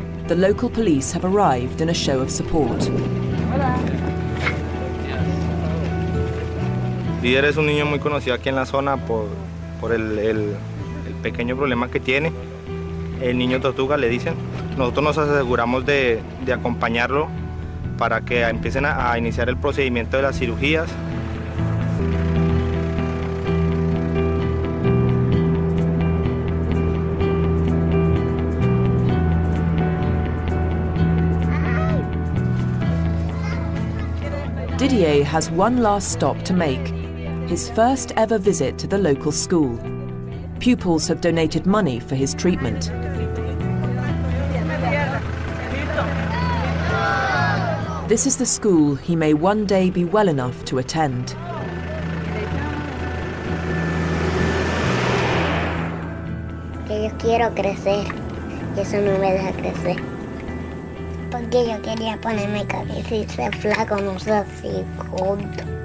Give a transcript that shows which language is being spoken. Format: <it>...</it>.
<en>The local police have arrived in a show of support.</en> <es>Hola. Didier es un niño muy conocido aquí en la zona por el pequeño problema que tiene. El niño tortuga, le dicen. Nosotros nos aseguramos de acompañarlo para que empiecen a iniciar el procedimiento de las cirugías.</es> <en>Didier has one last stop to make, his first ever visit to the local school. pupils have donated money for his treatment. This is the school he may one day be well enough to attend.</en> <es>Yo quiero crecer, y eso no me deja crecer. Porque yo quería ponerme cabeza y ser flaco, no ser así, gordo.</es>